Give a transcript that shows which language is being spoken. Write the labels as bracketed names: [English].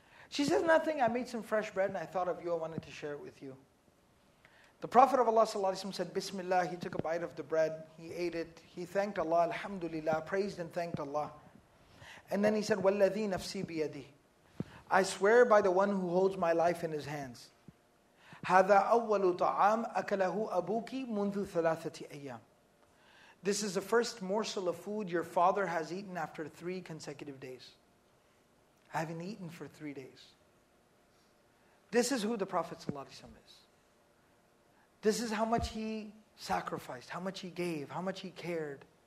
[English] She says, nothing, I made some fresh bread and I thought of you, I wanted to share it with you. The Prophet of Allah sallallahu alayhi wa sallam said, Bismillah, he took a bite of the bread, he ate it, he thanked Allah, Alhamdulillah, praised and thanked Allah. And then he said, [Arabic] وَالَّذِي نَفْسِي بِيَدِهِ. [English] I swear by the one who holds my life in his hands. [Arabic] هَذَا أَوَّلُ طَعَامْ أَكَلَهُ أَبُوكِ مُنْذُ ثَلَاثَةِ أَيَّامٍ. [English] This is the first morsel of food your father has eaten after 3 consecutive days. I haven't eaten for 3 days. This is who the Prophet sallallahu alayhi wa sallam is. This is how much he sacrificed, how much he gave, how much he cared.